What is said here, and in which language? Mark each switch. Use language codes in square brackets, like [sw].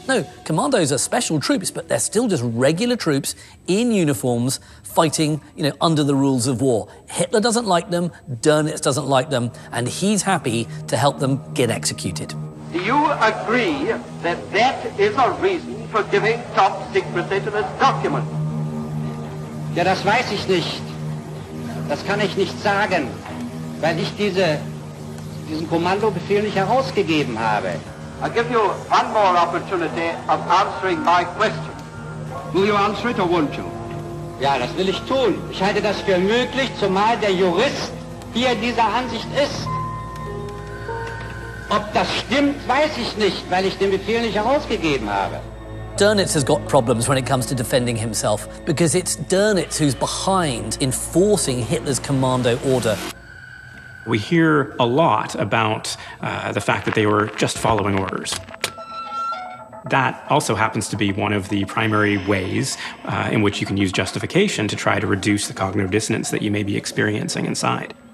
[en] No, commandos are special troops, but they're still just regular troops in uniforms fighting, you know, under the rules of war. Hitler doesn't like them, Dönitz doesn't like them, and he's happy to help them get executed. Do you agree that that is a reason for giving top secrecy to this document? [de] Ja, das weiß ich nicht. Das kann ich nicht sagen, weil ich diesen Kommandobefehl nicht herausgegeben habe. [en] I'll give you one more opportunity of answering my question. Will you answer it or won't you? [de] Ja, das will ich tun. Ich halte das für möglich, zumal der Jurist hier dieser Ansicht ist. Ob das stimmt, weiß ich nicht, weil ich den Befehl nicht herausgegeben habe. [en] Dönitz has got problems when it comes to defending himself, because it's Dönitz who's behind enforcing Hitler's commando order. We hear a lot about the fact that they were just following orders. That also happens to be one of the primary ways in which you can use justification to try to reduce the cognitive dissonance that you may be experiencing inside.